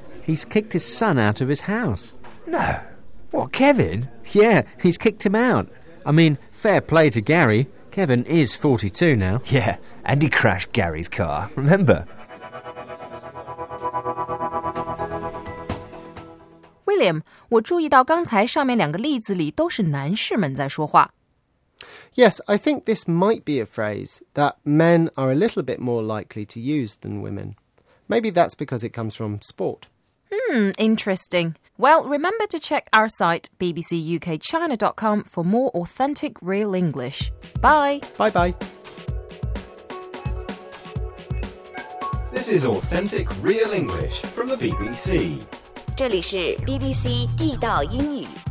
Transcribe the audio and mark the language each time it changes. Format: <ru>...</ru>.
<en>He's kicked his son out of his house. No. What, Kevin? Yeah, he's kicked him out. I mean, fair play to Gary. Kevin is 42 now. Yeah, and he crashed Gary's car, remember?</en> <zh>William, 我注意到刚才上面两个例子里都是男士们在说话。</zh> <en>Yes, I think this might be a phrase that men are a little bit more likely to use than women. Maybe that's because it comes from sport. Interesting. Well, remember to check our site, bbcukchina.com, for more authentic real English. Bye! Bye-bye! This is Authentic Real English from the BBC.</en> <zh>这里是 BBC 地道英语。</zh>